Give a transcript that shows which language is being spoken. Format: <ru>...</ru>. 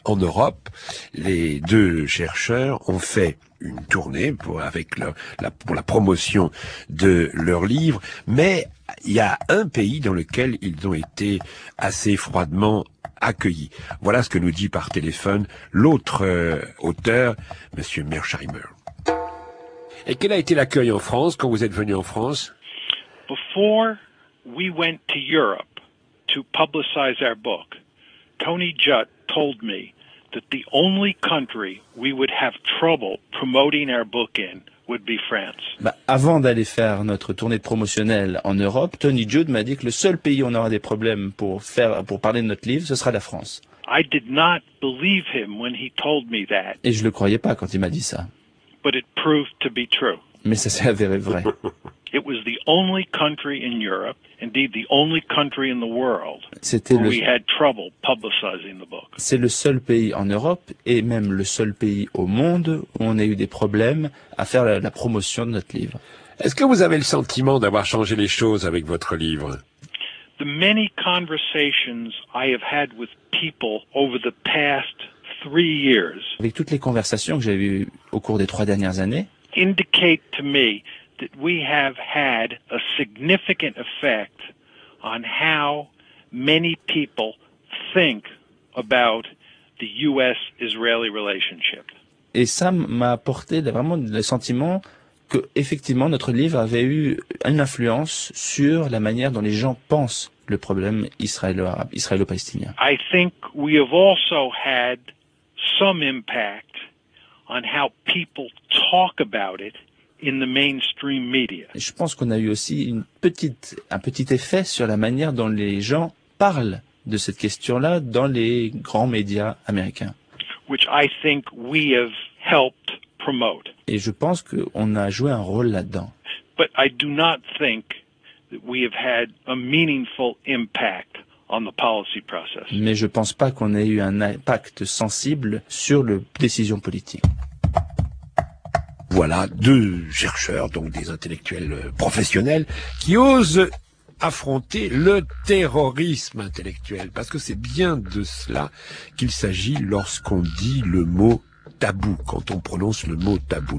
<fr>En Europe, les deux chercheurs ont fait une tournée pour la promotion de leur livre, mais il y a un pays dans lequel ils ont été assez froidement accueillis. Voilà ce que nous dit par téléphone l'autre auteur, Monsieur Mersheimer. Et quel a été l'accueil en France quand vous êtes venu en France?</fr> <en>Before we went to Europe to publicize our book, Tony Judt told me that the only country we would have trouble promoting our book in would be France.</en> <fr>Bah, avant d'aller faire notre tournée promotionnelle en Europe, Tony Judt m'a dit que le seul pays où on aura des problèmes pour parler de notre livre, ce sera la France.</fr> <en>I did not believe him when he told me that.</en> <fr>Et je le croyais pas quand il m'a dit ça.</fr> <en>But it proved to be true.</en> <fr>Mais ça s'est avéré vrai.</fr> <en>It was the only country in Europe, indeed the only country in the world, where we had trouble publicizing the book.</en> <fr>C'est le seul pays en Europe et même le seul pays au monde où on a eu des problèmes à faire la promotion de notre livre. Est-ce que vous avez le sentiment d'avoir changé les choses avec votre livre?</fr> <en>The many conversations I have had with people over the past 3 years.</en> <fr>Avec toutes les conversations que j'ai eues au cours des 3 dernières années.</fr> <en>Indicate to me that we have had a significant effect on how many people think about the U.S.-Israeli relationship.</en> <fr>Et ça m'a apporté vraiment le sentiment que effectivement notre livre avait eu une influence sur la manière dont les gens pensent le problème israélo-arabe, israélo-palestinien.</fr> <en>I think we have also had some impact on how people talk about it in the mainstream media.</en> <fr>Je pense qu'on a eu aussi un petit effet sur la manière dont les gens parlent de cette question-là dans les grands médias américains.</fr> <en>Which I think we have helped promote.</en> <fr>Et je pense qu'on a joué un rôle là-dedans.</fr> <en>But I do not think that we have had a meaningful impact on the policy process.</en> <fr>Mais je pense pas qu'on ait eu un impact sensible sur la décision politique. Voilà deux chercheurs, donc des intellectuels professionnels, qui osent affronter le terrorisme intellectuel. Parce que c'est bien de cela qu'il s'agit lorsqu'on dit le mot tabou, quand on prononce le mot tabou.</fr>